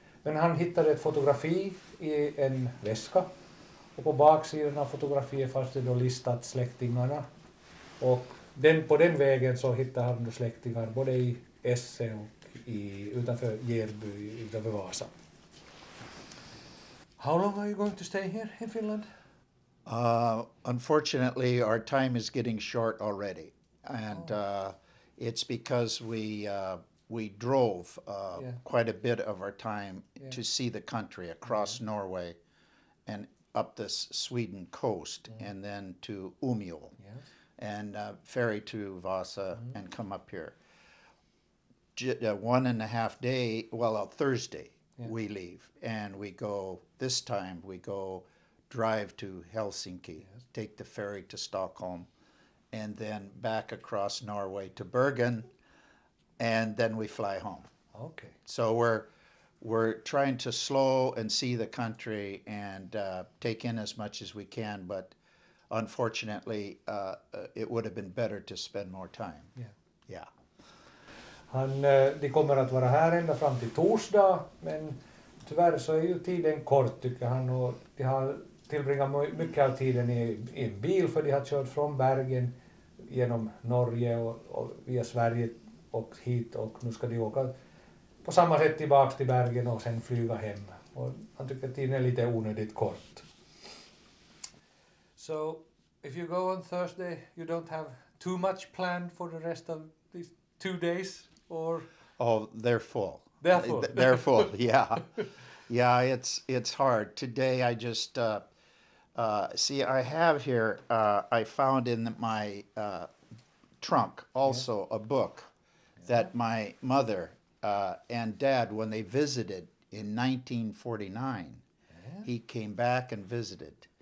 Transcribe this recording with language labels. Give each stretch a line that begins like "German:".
Swedish: Men han hittade ett fotografi i en väska, och på baksidan av fotografiet fanns det då listat släktingarna. Och på den vägen så hittade han då släktingar både i Esse och utanför Järby, utanför Vasa.
English: How long are you going to stay here in Finland? Unfortunately, our time is getting short already. And it's because we drove quite a bit of our time to see the country across Norway and up this Sweden coast and then to Umeå and ferry to Vasa and come up here. 1.5 day, well, Thursday. Yeah. We leave, and we go, this time we go drive to Helsinki, take the ferry to Stockholm, and then back across Norway to Bergen, and then we fly home. Okay. So we're trying to slow and see the country and take in as much as we can, but unfortunately it would have been better to spend more time. Yeah.
Swedish: De kommer att vara här ända fram till torsdag, men tyvärr så är ju tiden kort, tycker han, och de har tillbringat mycket av tiden i en bil, för de har kört från Bergen genom Norge och via Sverige och hit, och nu ska de åka på samma sätt tillbaka till Bergen och sen flyga hem, och han tycker att tiden är lite onödigt kort.
English: So if you go on Thursday, you don't have too much planned for the rest of these 2 days? Or they're full. yeah, it's hard today. I just see, I have here I found in my trunk also a book that my mother and dad, when they visited in 1949, he came back and visited,